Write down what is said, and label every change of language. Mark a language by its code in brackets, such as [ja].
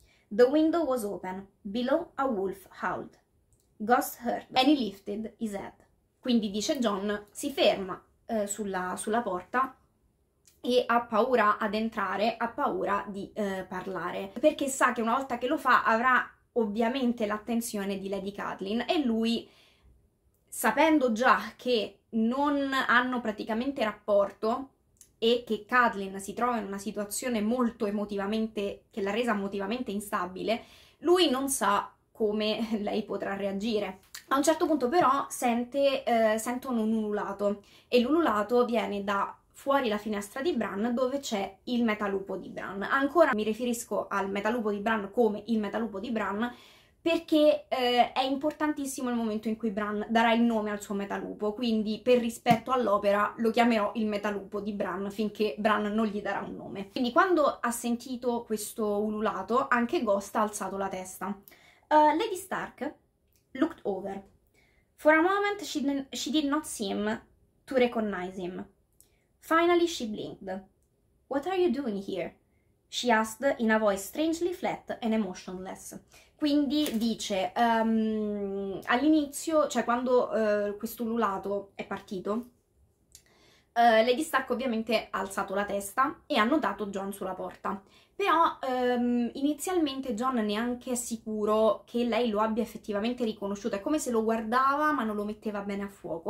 [en] The window was open, below a wolf howled. Ghost heard and he lifted his head. [it] Quindi dice John, si ferma sulla porta e ha paura ad entrare, ha paura di parlare, perché sa che una volta che lo fa avrà ovviamente l'attenzione di Lady Kathleen, e lui, sapendo già che non hanno praticamente rapporto e che Kathleen si trova in una situazione molto emotivamente, che l'ha resa emotivamente instabile, lui non sa come lei potrà reagire. A un certo punto però sentono un ululato, e l'ululato viene da fuori la finestra di Bran, dove c'è il metalupo di Bran. Ancora mi riferisco al metalupo di Bran come il metalupo di Bran, Perché è importantissimo il momento in cui Bran darà il nome al suo metalupo, quindi per rispetto all'opera lo chiamerò il metalupo di Bran finché Bran non gli darà un nome. Quindi quando ha sentito questo ululato, anche Ghost ha alzato la testa. [en] Lady Stark looked over. For a moment she did not seem to recognize him. Finally she blinked. What are you doing here? She asked in a voice strangely flat and emotionless. [it] Quindi dice, all'inizio, cioè quando questo ululato è partito, Lady Stark ovviamente ha alzato la testa e ha notato Jon sulla porta. Però inizialmente Jon neanche è sicuro che lei lo abbia effettivamente riconosciuto, è come se lo guardava ma non lo metteva bene a fuoco.